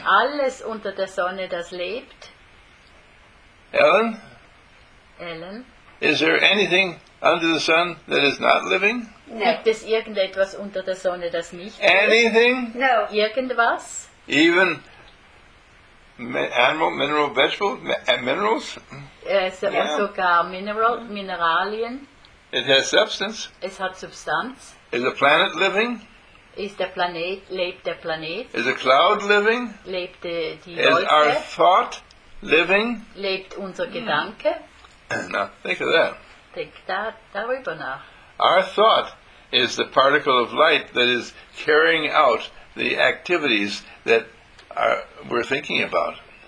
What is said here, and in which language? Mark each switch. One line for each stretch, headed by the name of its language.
German: Alles unter der Sonne, das lebt.
English: Ellen, is there anything under the sun that is not living? No.
German: Gibt es irgendetwas unter der Sonne, das nicht lebt?
English: Anything? No.
German: Irgendwas?
English: Even animal, mineral, vegetable, minerals?
German: Sogar Mineralien.
English: It has substance.
German: Es hat Substanz.
English: Is a planet living?
German: Ist der Planet, lebt der Planet?
English: Is a cloud living?
German: Lebt die Wolke?
English: Is our thought living?
German: Lebt unser Gedanke?
English: Now, think of that.
German: Denk darüber nach.
English: Our thought is the particle of light that is carrying out the activities that we're thinking about.